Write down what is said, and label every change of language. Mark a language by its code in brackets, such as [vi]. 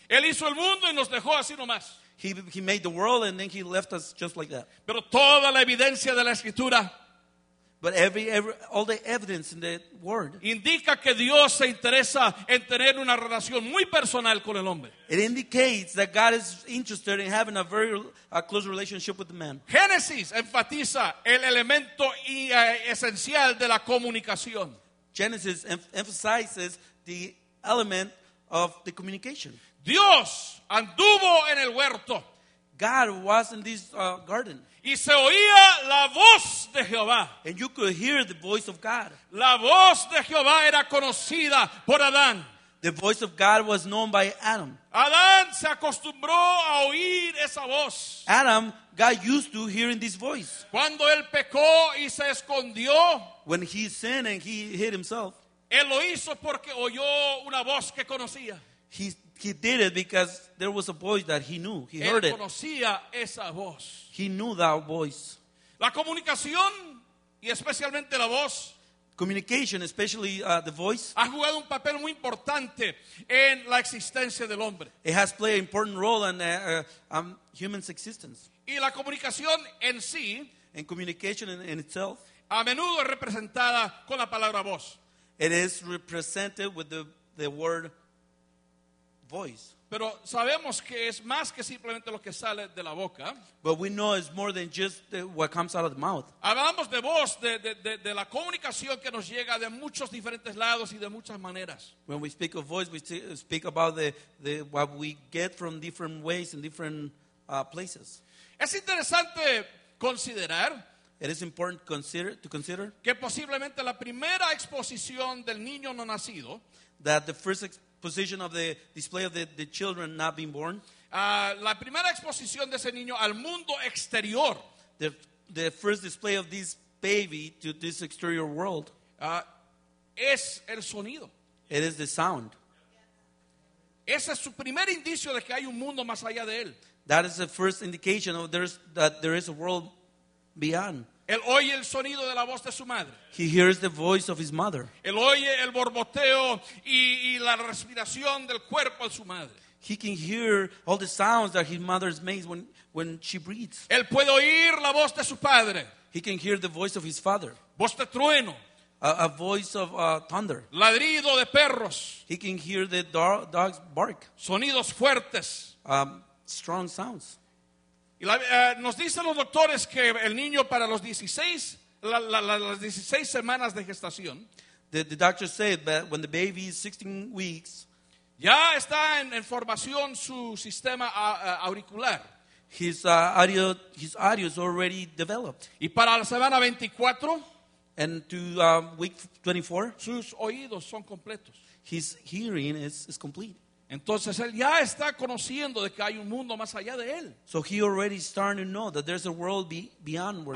[es] Él hizo el mundo y nos dejó así nomás. [en] He made the world and then he left us just like that. [es] Pero toda la evidencia de la escritura, [en] but all the evidence in the word, [es] indica que Dios se interesa en tener una relación muy personal con el hombre. [en] It indicates that God is interested in having a very close relationship with the man. [es] Génesis enfatiza el elemento esencial de la comunicación. [en] Genesis emphasizes the element of the communication. [es] Dios anduvo en el huerto. [en] God was in this garden. [es] Y se oía la voz de Jehová. [en] And you could hear the voice of God. [es] La voz de Jehová era conocida por Adán. [en] The voice of God was known by Adam. [es] Adán se acostumbró a oír esa voz. [en] Adam got used to hearing this voice. [es] Cuando él pecó y se escondió, [en] when he sinned and he hid himself, [es] él lo hizo porque oyó una voz que conocía. [en] He did it because there was a voice that he knew. He heard it. [es] Él conocía esa voz. [en] He knew that voice. [es] La comunicación y especialmente la voz. [en] Communication, especially the voice. [es] Ha jugado un papel muy importante en la existencia del hombre. [en] It has played an important role in human's existence. [es] Y la comunicación en sí. [en] And communication in itself. [es] A menudo es representada con la palabra voz. [en] It is represented with the word voice. [es] Pero sabemos que es más que simplemente lo que sale de la boca. [en] But we know it's more than just what comes out of the mouth. [es] Hablamos de voz, de la comunicación que nos llega de muchos diferentes lados y de muchas maneras. [en] When we speak of voice, we speak about the what we get from different ways and different places. [es] Es interesante considerar. [en] It is important to consider [es] que posiblemente la primera exposición del niño no nacido. [en] That the first exposition of the display of the children not being born. [es] La primera exposición de ese niño al mundo exterior. [en] The first display of this baby to this exterior world. [es] Es el sonido. [en] It is the sound. [es] Ese es su primer indicio de que hay un mundo más allá de él. [en] That is the first indication of that there is a world beyond. [es] Él oye el sonido de la voz de su madre. [en] He hears the voice of his mother. [es] Él oye el borboteo y la respiración del cuerpo de su madre. [en] He can hear all the sounds that his mother makes when she breathes. [es] Él puede oír la voz de su padre. [en] He can hear the voice of his father. [es] Voz de trueno. [en] A voice of thunder. [es] Ladrido de perros. [en] He can hear the dogs bark. [es] Sonidos fuertes. [en] Strong sounds. [es] Y nos dicen los doctores que el niño para los 16, las 16 semanas de gestación. [en] The doctor said that when the baby is 16 weeks. [es] Ya está en formación su sistema auricular. [en] His audio is already developed. [es] Y para la semana 24. [en] And to week 24. [es] Sus oídos son completos. [en] His hearing is complete. [es] Entonces él ya está conociendo de que hay un mundo más allá de él. [en] So he already starting to know that there's a world beyond where